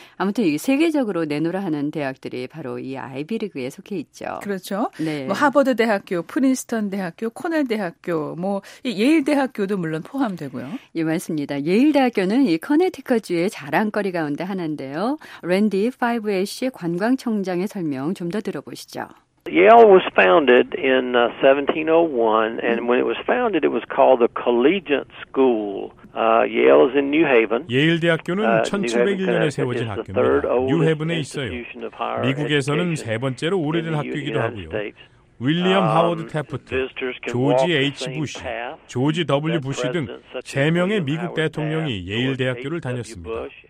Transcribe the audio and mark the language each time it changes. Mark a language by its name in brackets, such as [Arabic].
[Korean] 아무튼 이 세계적으로 내노라하는 대학들이 바로 이 아이비리그에 속해 있죠. 그렇죠. 네. 뭐 하버드 대학교, 프린스턴 대학교, 코넬 대학교, 뭐 예일 대학교도 물론 포함되고요. 예, 맞습니다. 예일 대학교는 이 커네티컷주의 자랑거리 가운데 하나인데요. 랜디 파이브애쉬 관광청장의 설명 좀 더 들어보시죠. [English] Yale was founded in 1701, and when it was founded, it was called the Collegiate School. Yale is in New Haven. [Korean] Yale 대학교는 1701년에 세워진 학교입니다. 뉴헤븐에 있어요. 미국에서는 세 번째로 오래된 학교이기도 하고요. 윌리엄 하워드 태프트, 조지 H. 부시, 조지 W. 부시 등 3명의 미국 대통령이 예일대학교를 다녔습니다.